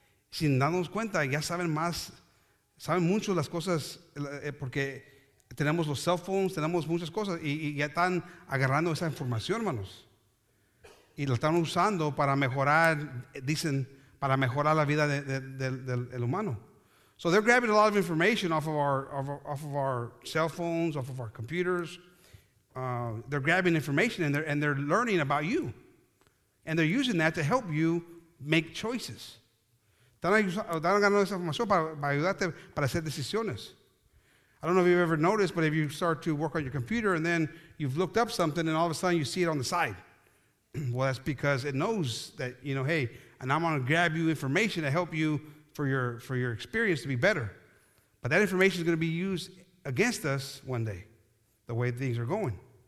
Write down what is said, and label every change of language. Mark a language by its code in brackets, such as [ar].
[es] Sin darnos cuenta, ya saben más, saben mucho las cosas, porque tenemos los cell phones, tenemos muchas cosas, y ya están agarrando esa información, hermanos. Y la están usando para mejorar, dicen, para mejorar la vida del humano. [en] So they're grabbing a lot of information off of our cell phones, off of our computers. They're grabbing information and they're learning about you. And they're using that to help you make choices. [es] Están ganando esa información para ayudarte para hacer decisiones. [en] I don't know if you've ever noticed, but if you start to work on your computer and then you've looked up something and all of a sudden you see it on the side. Well, that's because it knows that, you know, hey, and I'm gonna grab you information to help you for your experience to be better. But that information is gonna be used against us one day, the way things are going.